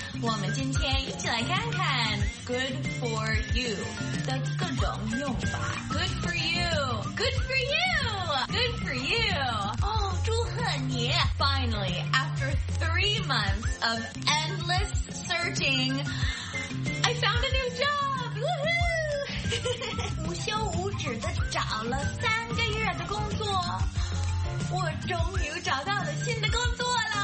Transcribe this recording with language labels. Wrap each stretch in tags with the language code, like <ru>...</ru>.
<zh>我们今天一起来看看 Good for you 的各种用法。</zh> <en>Good for you, good for you, good for you.</en> <zh>哦，祝贺你</zh> <en>！Finally, after 3 months of endless searching, I found a new job. Woohoo!</en> <zh>无休无止的找了3个月的工作，我终于找到了新的工作了。</zh>